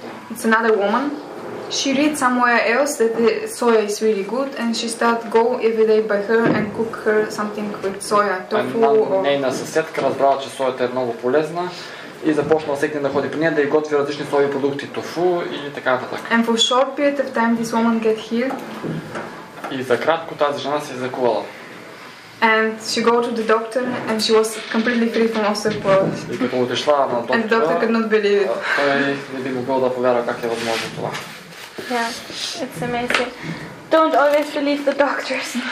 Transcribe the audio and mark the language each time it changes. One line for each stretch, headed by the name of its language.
English: It's another woman. She read somewhere else that the soya is really good and she start go every day by her and cook her something with soya, tofu or.
Bulgarian: Нейна съседка разбрала, че соята е много полезна и започнала всеки да ходи при нея да й готви различни сои продукти, тофу и така нататък.
English: And for short period of time this woman get healed.
Bulgarian: И за кратко тази жена се е закувала.
English: And she go to the doctor and she was completely free from osteoporosis. And the doctor could not believe it.
Bulgarian: Той не би могъл да повярва как е възможно това.
English: Yeah, it's amazing. Don't always believe the doctors.